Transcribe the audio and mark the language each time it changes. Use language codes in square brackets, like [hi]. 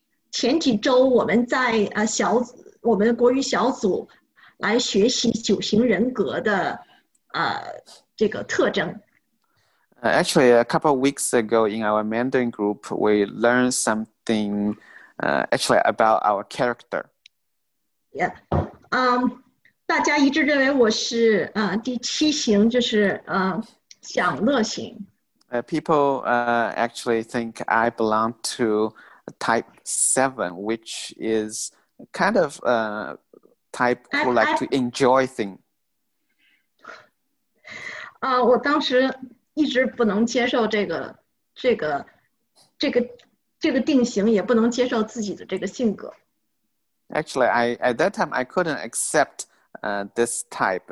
[zh] 前几周我们在小组，我们国语小组来学习九型人格的这个特征。 [en] Actually, a couple of weeks ago in our Mandarin group, we learned something actually about our character. [zh] Yeah, 大家一致认为我是第七型，就是享乐型。 [en] People actually think I belong to type 7, which is kind of a type who like to enjoy things. [zh] 我当时一直不能接受这个定型，也不能接受自己的这个性格。 [en] Actually, at that time, I couldn't accept this type.